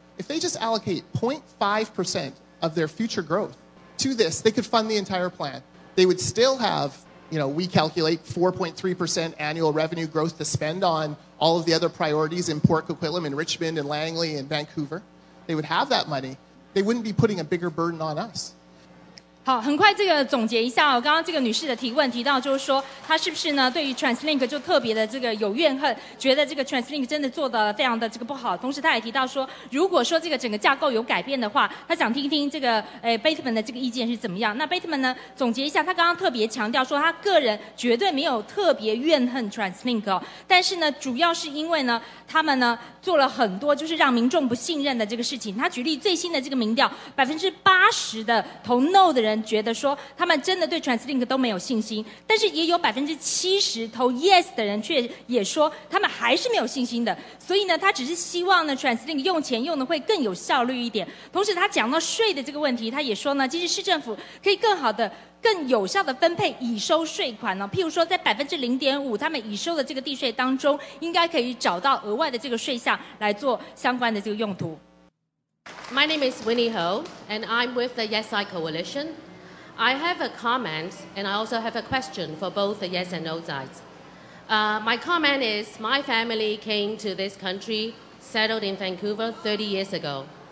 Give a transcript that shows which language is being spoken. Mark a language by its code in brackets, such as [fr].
[en] If they just allocate 0.5% of their future growth to this, they could fund the entire plan. They would still have, you know, we calculate 4.3% annual revenue growth to spend on all of the other priorities in Port Coquitlam and Richmond and Langley and Vancouver. They would have that money. They wouldn't be putting a bigger burden on us. [zh] 好，很快这个总结一下哦。刚刚这个女士的提问提到，就是说她是不是呢，对于 TransLink 就特别的这个有怨恨，觉得这个 TransLink 真的做得非常的这个不好。同时，她也提到说，如果说这个整个架构有改变的话，她想听听这个Bateman 的这个意见是怎么样。那 Bateman 呢，总结一下，她刚刚特别强调说，她个人绝对没有特别怨恨 TransLink 哦，但是呢，主要是因为呢，他们呢做了很多就是让民众不信任的这个事情。她举例最新的这个民调，80%的投 No 的人觉得说他们真的对 TransLink 都没有信心，但是也有70%投 Yes 的人却也说他们还是没有信心的。所以呢，他只是希望呢 TransLink 用钱用的会更有效率一点。同时他讲到税的这个问题，他也说呢，其实市政府可以更好的更有效的分配已收税款呢，譬如说在0.5%他们已收的这个地税当中，应该可以找到额外的这个税项来做相关的这个用途。 [en] My name is Winnie Ho, and I'm with the Yes I Coalition. I have a comment, and I also have a question for both the Yes and No sides. My comment is, my family came to this country, settled in Vancouver 30 years ago.